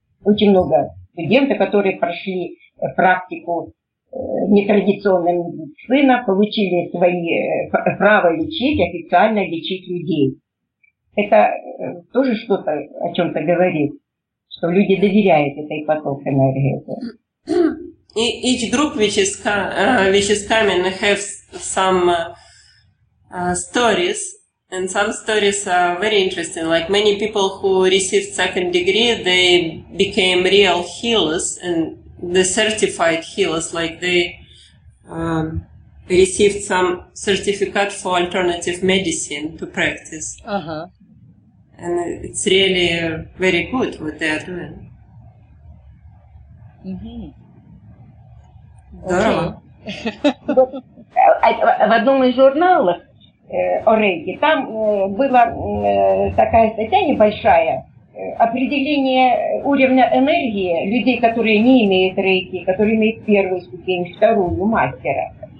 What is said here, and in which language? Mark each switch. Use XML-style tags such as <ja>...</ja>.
<ru>Очень много студентов, которые прошли практику нетрадиционная медицина, получили свои право лечить, официально лечить людей. Это тоже что-то о чем-то говорит, что люди доверяют этой поток энергии.</ru> <en>И each group which is coming have some stories, and some stories are very interesting. Like many people who received second degree, they became real healers and the certified healers, like they received some certificate for alternative medicine to practice. Uh-huh. And it's really very good what they are doing. Mm-hmm.</en> <ru>В одном из журналов о Рейке, там была такая статья небольшая, определение уровня энергии людей, которые не имеют рейки, которые имеют первую ступень, вторую мастера.</ru>